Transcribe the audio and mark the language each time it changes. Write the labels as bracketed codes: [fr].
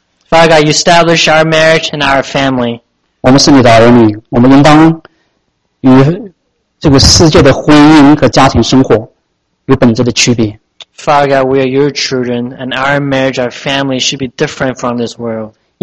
[en] Father God, you establish our marriage and our family. [zh] 我们是你的儿女，我们应当与这个世界的婚姻和家庭生活。 [en] Father God, we are your children, and our marriage, our family should be different from this world.